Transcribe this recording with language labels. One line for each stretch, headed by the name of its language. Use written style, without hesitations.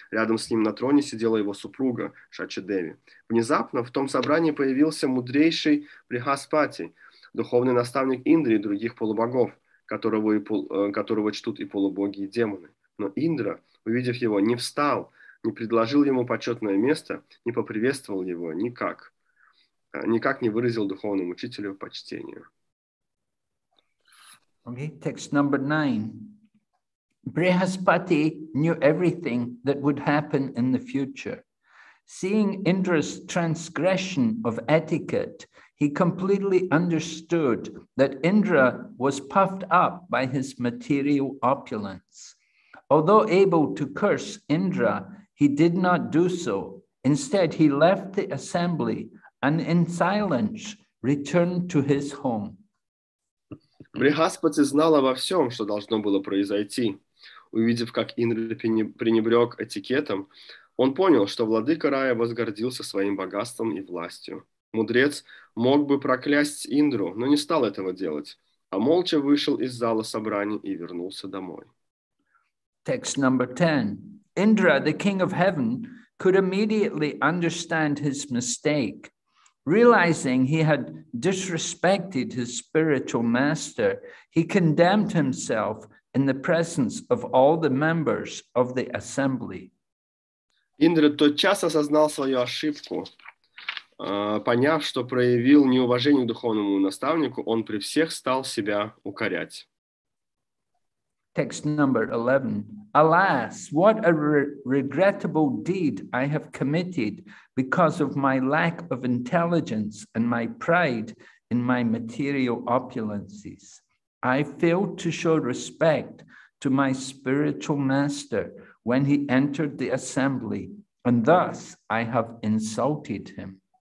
Russian: Рядом с ним на троне сидела его супруга Шачадеви. Внезапно в том собрании появился мудрейший Брихаспати, духовный наставник Индры и других полубогов, которого чтут и полубоги, и демоны. Но Индра, увидев его, не встал, не предложил ему почетное место, не поприветствовал его никак. Никак не выразил духовному учителю почтения.
English: Okay, text number 9. Brihaspati knew everything that would happen in the future. Seeing Indra's transgression of etiquette, he completely understood that Indra was puffed up by his material opulence. Although able to curse Indra, he did not do so. Instead, he left the assembly and in silence returned to his home.
Russian: Брихаспати знал обо всем, что должно было произойти. Увидев, как Индра пренебрег этикетом, он понял, что владыка рая возгордился своим богатством и властью. Мудрец мог бы проклясть Индру, но не стал этого делать, а молча вышел из зала собраний и вернулся домой.
English: Text number 10. Indra, the king of heaven, could immediately understand his mistake. Realizing he had disrespected his spiritual master, he condemned himself in the presence of all the members of the assembly.
Russian: Индра тотчас осознал свою ошибку. Поняв, что проявил неуважение к духовному наставнику, он при всех стал себя укорять.
English: Text number 11. Alas, what a regrettable deed I have committed because of my lack of intelligence and my pride in my material opulences. I failed to show respect to my spiritual master when he entered the assembly, and thus I have insulted him.